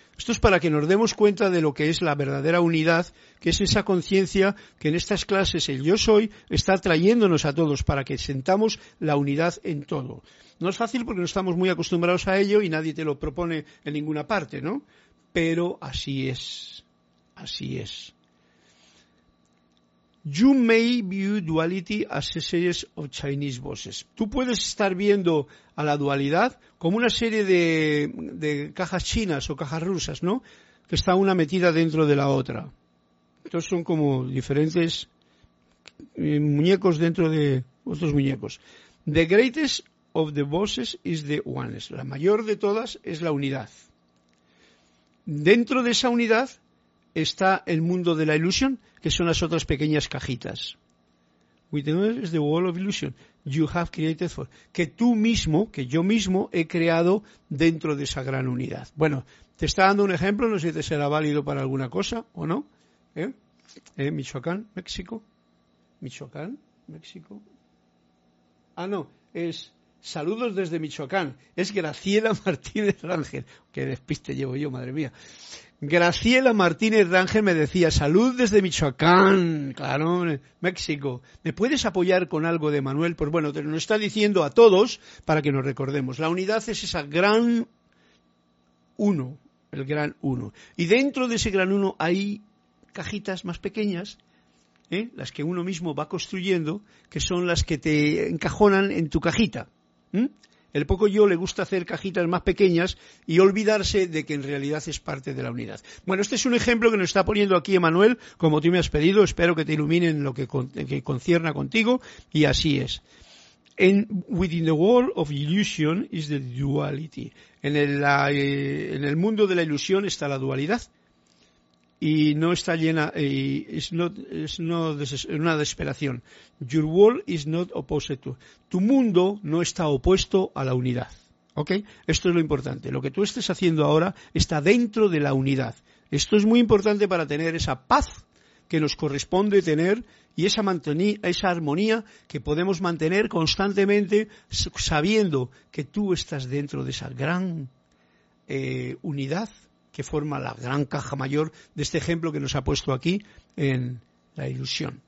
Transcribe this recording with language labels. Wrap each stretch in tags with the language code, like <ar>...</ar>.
<es>Esto es para que nos demos cuenta de lo que es la verdadera unidad, que es esa conciencia que en estas clases el yo soy está trayéndonos a todos para que sentamos la unidad en todo. No es fácil porque no estamos muy acostumbrados a ello y nadie te lo propone en ninguna parte, ¿no? Pero así es, así es.</es> <en>You may view duality as a series of Chinese boxes.</en> <es>Tú puedes estar viendo a la dualidad como una serie de cajas chinas o cajas rusas, ¿no? Que está una metida dentro de la otra. Entonces son como diferentes muñecos dentro de otros muñecos.</es> <en>The greatest of the boxes is the oneness.</en> <es>La mayor de todas es la unidad. Dentro de esa unidad está el mundo de la ilusión, que son las otras pequeñas cajitas.</es> <en>Within is the wall of illusion you have created for.</en> <es>Que tú mismo, que yo mismo he creado dentro de esa gran unidad. Bueno, te está dando un ejemplo, no sé si te será válido para alguna cosa o no. Michoacán, México. Michoacán, México. Ah, no, es saludos desde Michoacán. Es Graciela Martínez Rangel. Qué despiste llevo yo, madre mía. Graciela Martínez Rangel me decía, salud desde Michoacán, claro, México. ¿Me puedes apoyar con algo de Manuel? Pues bueno, te lo está diciendo a todos para que nos recordemos. La unidad es esa gran uno, el gran uno. Y dentro de ese gran uno hay cajitas más pequeñas, las que uno mismo va construyendo, que son las que te encajonan en tu cajita. El poco yo le gusta hacer cajitas más pequeñas y olvidarse de que en realidad es parte de la unidad. Bueno, este es un ejemplo que nos está poniendo aquí Emanuel, como tú me has pedido. Espero que te iluminen lo que concierne contigo. Y así es.</es> <en>Within the world of illusion is the duality.</en> <es>En el mundo de la ilusión está la dualidad. Y no está llena. Es una desesperación.</es> <en>Your world is not opposed to.</en> <es>Tu mundo no está opuesto a la unidad, ¿ok? Esto es lo importante. Lo que tú estés haciendo ahora está dentro de la unidad. Esto es muy importante para tener esa paz que nos corresponde tener y esa armonía que podemos mantener constantemente sabiendo que tú estás dentro de esa gran unidad que forma la gran caja mayor de este ejemplo que nos ha puesto aquí en la ilusión.</es>